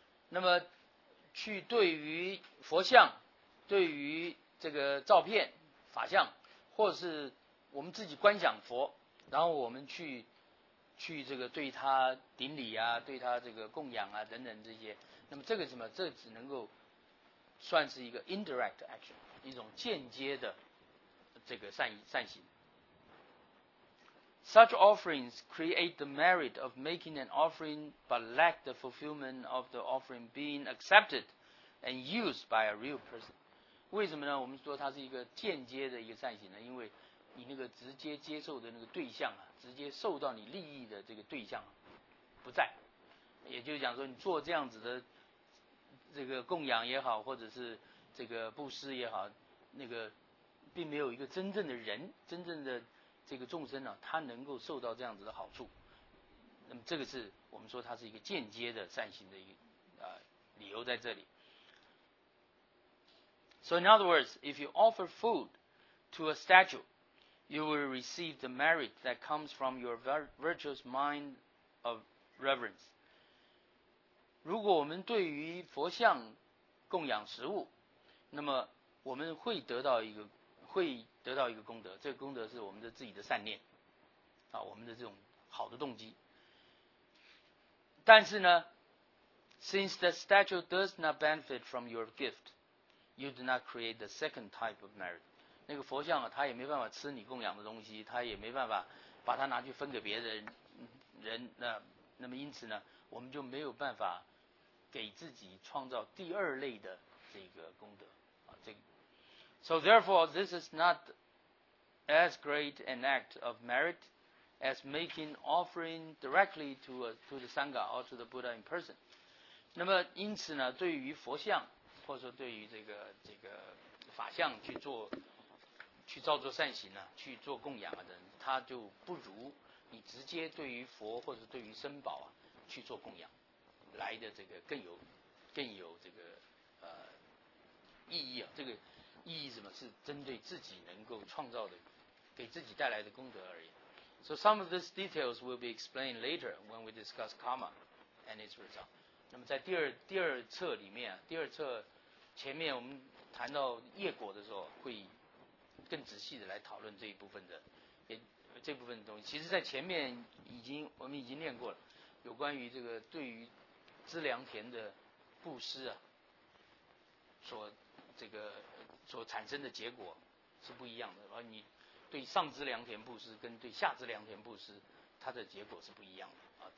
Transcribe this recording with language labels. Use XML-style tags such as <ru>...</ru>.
<zh>那么去对于佛像，对于这个照片法像，或者是我们自己观想佛，然后我们去这个对他顶礼啊，对他这个供养啊等等这些，那么这个什么，这只能够算是一个</zh> <en>indirect action，</en> <zh>一种间接的这个善行。</zh> <en>Such offerings create the merit of making an offering but lack the fulfillment of the offering being accepted and used by a real person。</en> <zh>为什么呢？我们说它是一个间接的一个善行呢，因为你那个直接接受的那个对象啊，直接受到你利益的这个对象不在，也就是讲说你做这样子的这个供养也好，或者是这个布施也好，那个并没有一个真正的人，真正的这个众生啊，他能够受到这样子的好处。那么这个是我们说它是一个间接的善行的一个理由在这里。</zh> <en>So in other words, if you offer food to a statue, you will receive the merit that comes from your virtuous mind of reverence.</en> <zh>如果我们对于佛像供养食物，那么我们会得到一个功德，这个功德是我们的自己的善念啊，我们的这种好的动机。但是呢，</zh> <en>since the statue does not benefit from your gift, you do not create the second type of merit.</en> <zh>那个佛像啊，他也没办法吃你供养的东西，他也没办法把它拿去分给别的人，那么因此呢，我们就没有办法给自己创造第二类的这个功德啊，这个。</zh> <en>So therefore, this is not as great an act of merit as making offering directly to the Sangha or to the Buddha in person.</en> <zh>那么因此呢，对于佛像或者说对于这个法像去做去造作善行呢，去做供养的人，他就不如你直接对于佛或者对于僧宝啊去做供养来的这个更有这个意义啊，这个。意义什么？是针对自己能够创造的，给自己带来的功德而言。</zh> <en>So some of these details will be explained later when we discuss karma and its result.</en> <zh>那么在第二册里面，第二册前面我们谈到业果的时候，会更仔细的来讨论这一部分的，这部分的东西。其实，在前面我们已经练过了，有关于这个对于资良田的布施啊，所产生的结果是不一样的，而你对上知良田布施跟对下知良田布施，它的结果是不一样的啊。</zh>